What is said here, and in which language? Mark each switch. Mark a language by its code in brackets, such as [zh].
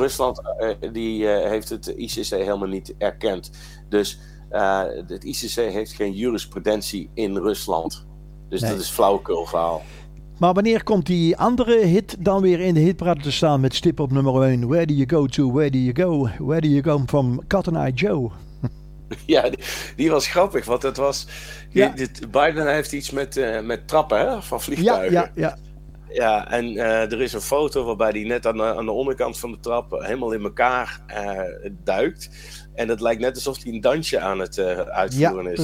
[nl] Rusland heeft het ICC helemaal niet erkend. Dus het ICC heeft geen jurisprudentie in Rusland. Dus dat is flauwekul verhaal. Maar wanneer komt die andere hit dan weer in de hitparade te staan met stip op nummer 1? [en] Where do you go to? Where do you go? Where do you go from Cotton Eye Joe? [nl] Ja, die was grappig, want dat was. Biden heeft iets met trappen, hè, van vliegtuigen. Ja, en er is een foto waarbij hij net aan de onderkant van de trap helemaal in elkaar duikt. En het lijkt net alsof hij een dansje aan het uitvoeren is.